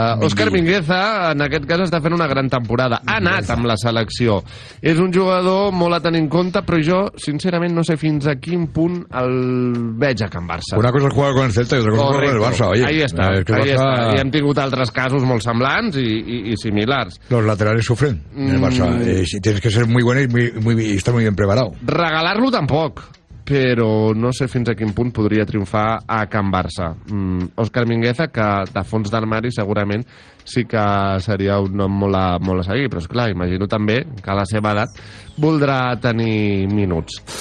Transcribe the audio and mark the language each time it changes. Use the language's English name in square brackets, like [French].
[Catalan] Òscar Mingueza en aquest cas està fent una gran temporada. Ha anat amb la selecció. És un jugador molt a tenir en compte, però jo sincerament no sé fins a quin punt el veig a Can Barça. Una cosa és jugar [Spanish] con el Celta [Catalan] i [Spanish] otra cosa con [Catalan] el Barça. [Spanish] Ahí está. [Catalan] I hem tingut altres casos molt semblants i similars. [Spanish] Los laterales sufren en el Barça. Tienes que ser muy bueno y estar muy bien preparado. [Catalan] Regalar-lo tampoc, però no sé fins a quin punt podria triomfar a Can Barça. Òscar Mingueza, que de fons d'armari segurament sí que seria un nom molt a seguir, però és clar, imagino també que a la seva edat voldrà tenir minuts.